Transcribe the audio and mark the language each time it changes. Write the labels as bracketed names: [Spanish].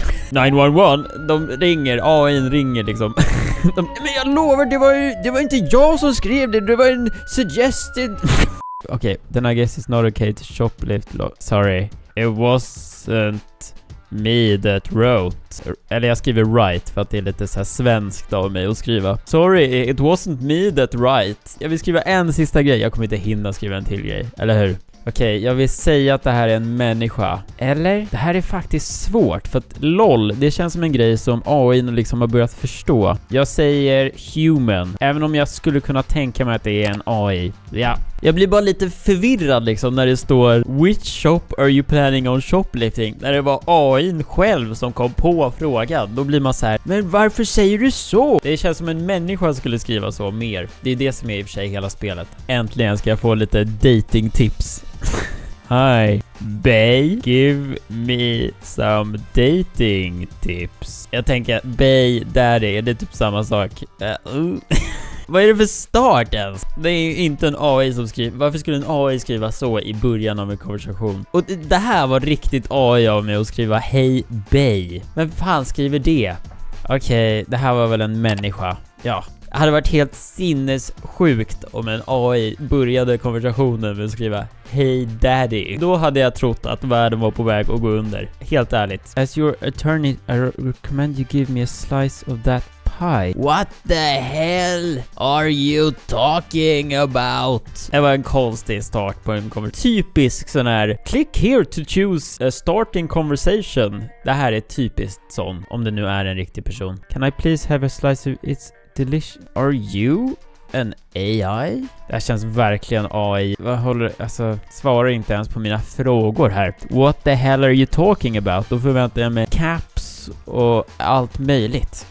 [Swedish] 911, de ringer, AI ringer liksom. Men jag lovar, det var inte jag som skrev det. Det var en suggested. [English] Okej, then I guess it's not okay to shoplift. Sorry, it wasn't me that wrote. [Swedish] Eller jag skriver right för att det är lite så här svenskt av mig att skriva. [English] Sorry, it wasn't me that wrote. [Swedish] Jag vill skriva en sista grej, jag kommer inte hinna skriva en till grej, eller hur? Okej, jag vill säga att det här är en människa. Eller? Det här är faktiskt svårt. För att lol, det känns som en grej som AI liksom har börjat förstå. Jag säger human. Även om jag skulle kunna tänka mig att det är en AI. Ja. Jag blir bara lite förvirrad liksom när det står [English] which shop are you planning on shoplifting? [Swedish] När det var AI själv som kom på frågan. Då blir man så här: men varför säger du så? Det känns som en människa skulle skriva så mer. Det är det som är i och för sig hela spelet. Äntligen ska jag få lite dating tips. [English] Hi, bae, give me some dating tips. [Swedish] Jag tänker, bae, daddy, är det typ samma sak? Vad är det för start ens? Det är ju inte en AI som skriver. Varför skulle en AI skriva så i början av en konversation? Och det här var riktigt AI av mig att skriva hej, bae. Vem fan skriver det? Okej, det här var väl en människa. Ja. Det hade varit helt sinnessjukt om en AI började konversationen med att skriva hej daddy. Då hade jag trott att världen var på väg att gå under. Helt ärligt. [English] As your attorney, I recommend you give me a slice of that pie. What the hell are you talking about? [Swedish] Det var en konstig start på en konversation. Typisk sån här, [English] click here to choose a starting conversation. [Swedish] Det här är typiskt sån, om det nu är en riktig person. [English] Can I please have a slice of it's delish. Are you an AI? [Swedish] Det här känns verkligen AI. Vad håller, alltså, svarar inte ens på mina frågor här. [English] What the hell are you talking about? [Swedish] Då förväntar jag mig caps och allt möjligt.